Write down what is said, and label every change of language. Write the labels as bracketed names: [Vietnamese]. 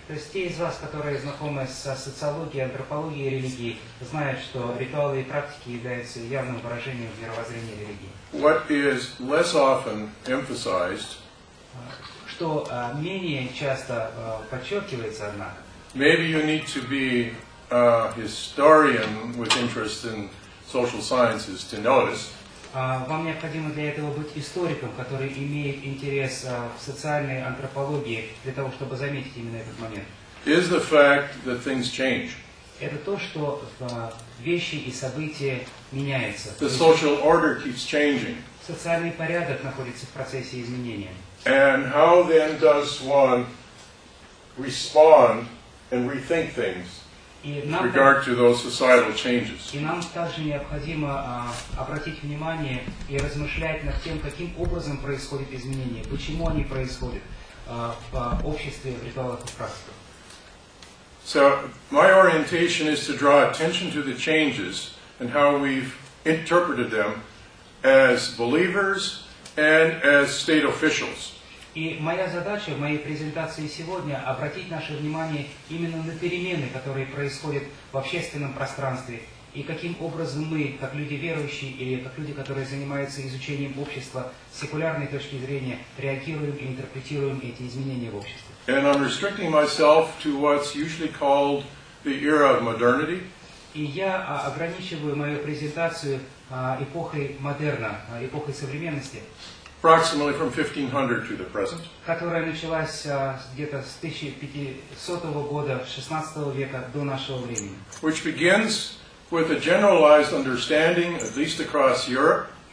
[Russian] То есть те из вас, которые знакомы с социологией, антропологией, религией, знают, что ритуалы и практики являются явным выражением мировоззрения религии. [English] What is less often emphasized? [Russian] Что менее часто подчеркивается, однако. [English] Maybe you need to be a historian with interest in social sciences to notice. [Russian] Вам необходимо для этого быть историком, который имеет интерес в социальной антропологии, для того, чтобы заметить именно этот момент. [English] Is the fact that things change. [Russian] Это то, что вещи и события меняются. [English] The social order keeps changing. [Russian] Социальный порядок находится в процессе изменения. [English] And how then does one respond and rethink things in regard to those societal changes. [Russian] И нам также необходимо обратить внимание и размышлять над тем, каким образом происходят изменения, почему они происходят в обществе, в ритуалах и практиках. [English] So, my orientation is to draw attention to the changes and how we've interpreted them as believers and as state officials. [Russian] И моя задача в моей презентации сегодня обратить наше внимание именно на перемены, которые происходят в общественном пространстве, и каким образом мы, как люди верующие или как люди, которые занимаются изучением общества с секулярной точки зрения, реагируем и интерпретируем эти изменения в обществе. [English] And I'm restricting myself to what's usually called the era of modernity. [Russian] И я ограничиваю мою презентацию эпохой модерна, эпохой современности. [English] Approximately from 1500 to the present. [Russian] Которая началась где-то с 1500 года, 16 века до нашего времени. [English] Which begins with a generalized understanding, at least across Europe.